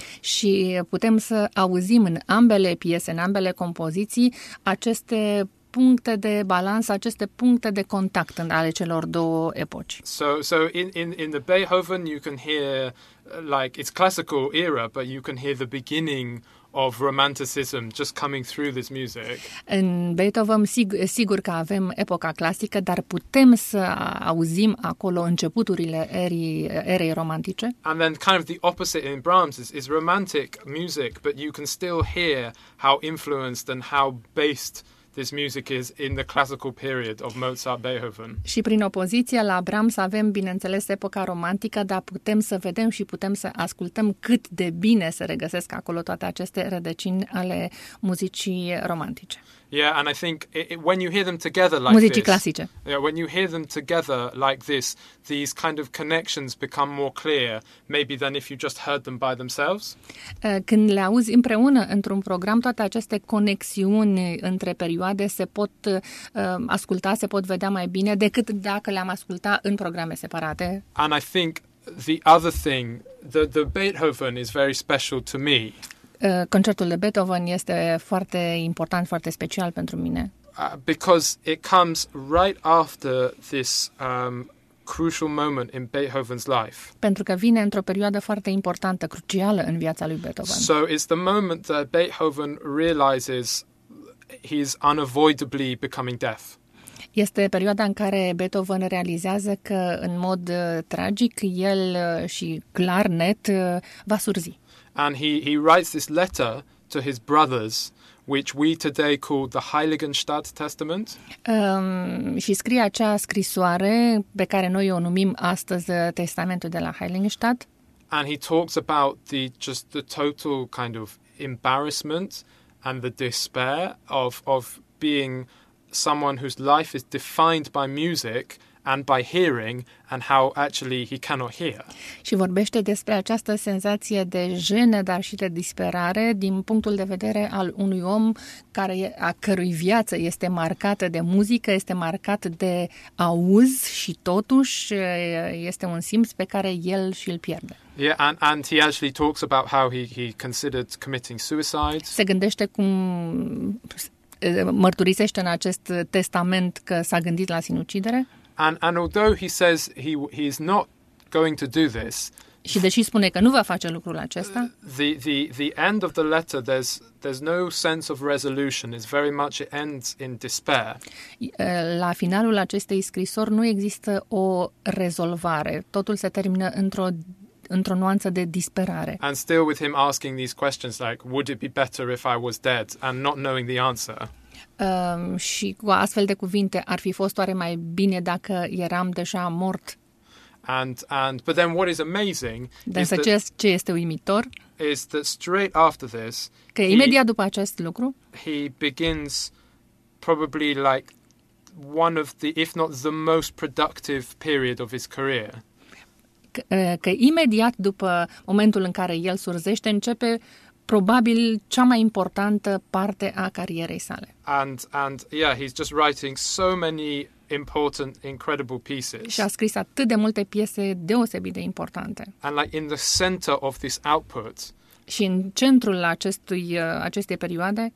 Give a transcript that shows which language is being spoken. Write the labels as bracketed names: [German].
[Romanian] Și putem să auzim în ambele piese, în ambele compoziții, aceste puncte de balans, aceste puncte de contact ale celor două epoci. [English] So in the Beethoven you can hear like it's classical era, but you can hear the beginning of romanticism just coming through this music. [Romanian] În Beethoven sigur că avem epoca clasică, dar putem să auzim acolo începuturile erei romantice. [English] And then kind of the opposite in Brahms is romantic music, but you can still hear how influenced and how based this music is in the classical period of Mozart, Beethoven. [Romanian] Și prin opoziția la Brahms avem, bineînțeles, epoca romantică, dar putem să vedem și putem să ascultăm cât de bine se regăsesc acolo toate aceste rădăcini ale muzicii romantice. [English] Yeah, and I think when you hear them together like [Romanian] muzicii clasice. [English] Yeah, when you hear them together like this, these kind of connections become more clear maybe than if you just heard them by themselves. [Romanian] Când le auzi împreună într-un program, toate aceste conexiuni între perioade se pot asculta, se pot vedea mai bine decât dacă le-am asculta în programe separate. [English] And I think the other thing, the Beethoven is very special to me. [Romanian] Concertul de Beethoven este foarte important, foarte special pentru mine. [English] Because it comes right after this crucial moment in Beethoven's life. [Romanian] Pentru că vine într-o perioadă foarte importantă, crucială în viața lui Beethoven. [English] So it's the moment that Beethoven realizes he's unavoidably becoming deaf. [Romanian] Este perioada în care Beethoven realizează că în mod tragic el și clar net va surzi. [English] And he writes this letter to his brothers, which we today call the Heiligenstadt Testament. [Romanian] Și scrie acea scrisoare pe care noi o numim astăzi Testamentul de la Heiligenstadt. [English] And he talks about the total kind of embarrassment and the despair of being someone whose life is defined by music and by hearing, and how actually he cannot hear. [Romanian] Și vorbește despre această senzație de jenă, dar și de disperare din punctul de vedere al unui om care a cărui viață este marcată de muzică, este marcat de auz și totuși este un simț pe care el și-l pierde. [English] Yeah, and he actually talks about how he considered committing suicide. [Romanian] Se gândește cum mărturisește în acest testament că s-a gândit la sinucidere. [English] And although he says he is not going to do this, [Romanian] și deși spune că nu va face lucrul acesta, [English] the end of the letter there's no sense of resolution. It's very much it ends in despair. [Romanian] La finalul acestei scrisori nu există o rezolvare. Totul se termină într-o nuanță de disperare. [English] And still with him asking these questions like, would it be better if I was dead, and not knowing the answer. [Romanian] Și cu astfel de cuvinte, ar fi fost oare mai bine dacă eram deja mort? [English] And but then what is amazing is that, [Romanian] ce este uimitor, [English] is that straight after this, [Romanian] că imediat după acest lucru, [English] he begins probably like one of the, if not the most productive period of his career. [Romanian] Că imediat după momentul în care el surzește, începe probabil cea mai importantă parte a carierei sale. [English] And yeah, he's just writing so many important, incredible pieces. [Romanian] Și a scris atât de multe piese deosebit de importante. [English] And like in the center of this output. [Romanian] Și în centrul acestei perioade